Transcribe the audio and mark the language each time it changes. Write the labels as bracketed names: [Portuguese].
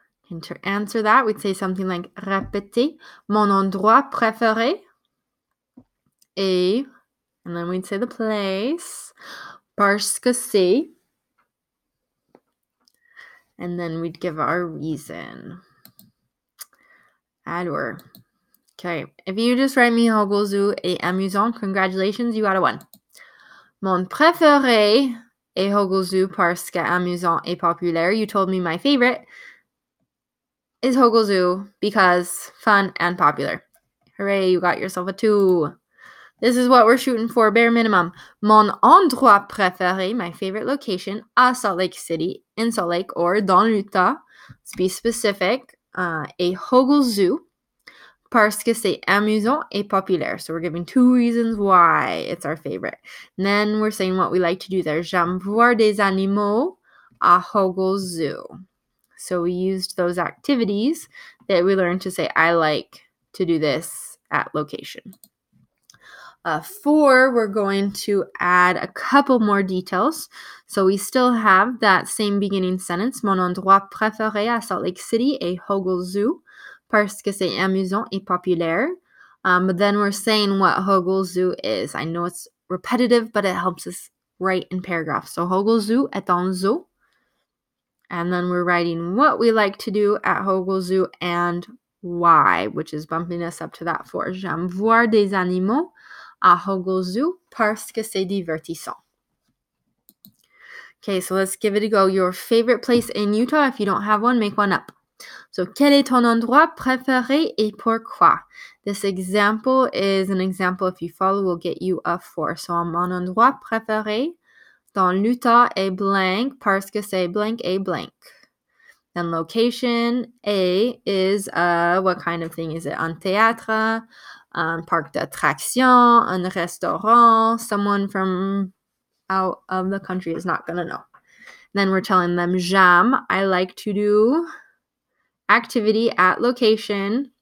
[English] And to answer that, we'd say something like, [French] répétez mon endroit préféré et, [English] and then we'd say the place, [French] parce que c'est, [English] and then we'd give our reason. Adwer. Okay, if you just write me Hogelzoo [French] et amusant, [English] congratulations, you got a 1. [French] Mon préféré est Hogelzoo parce que amusant et populaire. [English] You told me my favorite is Hogelzoo because fun and popular. Hooray, you got yourself a 2. This is what we're shooting for, bare minimum. [French] Mon endroit préféré, [English] my favorite location, [French] à Salt Lake City, [English] in Salt Lake, or [French] dans l'Utah. [English] Let's be specific. [French] A Hogel Zoo, parce que c'est amusant et populaire. [English] So we're giving two reasons why it's our favorite. And then we're saying what we like to do there. [French] J'aime voir des animaux à Hogel Zoo. [English] So we used those activities that we learned to say, I like to do this at location. Four, we're going to add a couple more details. So we still have that same beginning sentence. [French] Mon endroit préféré à Salt Lake City est Hogel Zoo parce que c'est amusant et populaire. [English] But then we're saying what Hogel Zoo is. I know it's repetitive, but it helps us write in paragraphs. So Hogel Zoo [French] est un zoo. [English] And then we're writing what we like to do at Hogel Zoo and why, which is bumping us up to that four. [French] J'aime voir des animaux à Hogel Zoo parce que c'est divertissant. [English] Okay, so let's give it a go. Your favorite place in Utah, if you don't have one, make one up. [French] So, quel est ton endroit préféré et pourquoi? [English] This example is an example, if you follow, will get you a four. [French] So, mon endroit préféré dans l'Utah est blank parce que c'est blank et blank. [English] Then location A is what kind of thing is it? [French] Un théâtre, un parc d'attraction, un restaurant. [English] Someone from out of the country is not going to know. Then we're telling them, [French] j'aime, [English] I like to do activity at location.